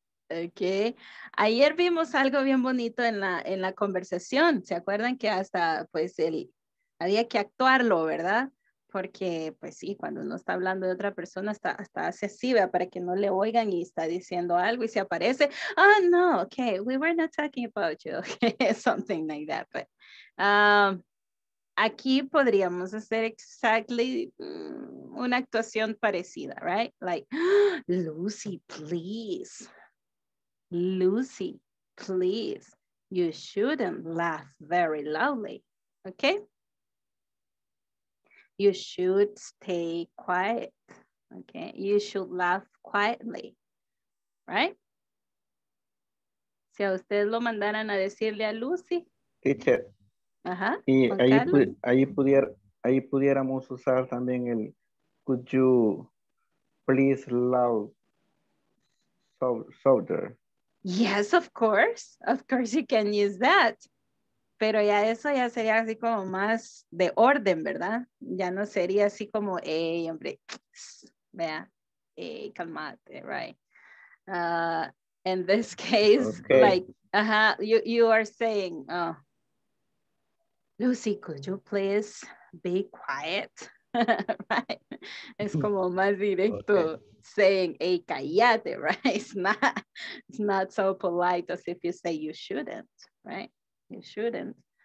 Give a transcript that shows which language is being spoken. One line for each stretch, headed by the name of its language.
English: Okay.
Spanish: Ayer vimos algo bien bonito en la conversación. ¿Se acuerdan que hasta pues el había que actuarlo, verdad? Porque pues sí, cuando uno está hablando de otra persona hasta hace así, ¿verdad? Para que no le oigan y está diciendo algo y se aparece.
English: Oh, no, okay, we were not talking about you. Okay, something like that. But
Spanish: aquí podríamos hacer
English: exactly
Spanish: una actuación parecida,
English: right? Like, Lucy, please. Lucy, please, you shouldn't laugh very loudly, okay? You should stay quiet, okay? You should laugh quietly, right?
Spanish: Si a usted lo mandaran a decirle a Lucy.
English: Teacher.
Spanish: Ajá. Y ahí pudiéramos usar también el
English: could you please laugh louder. Yes, of course. Of course you can use that.
Spanish: Pero ya eso ya sería así como más de orden, ¿verdad? Ya no sería así como, hey, hombre, vea, hey, calmate, right?
English: In this case, okay. Like, you are saying, oh, Lucy, could you please be quiet? Right.
Spanish: Es como más directo, okay. Saying, hey, callate, right?
English: It's not so polite as if you say you shouldn't, right? You shouldn't.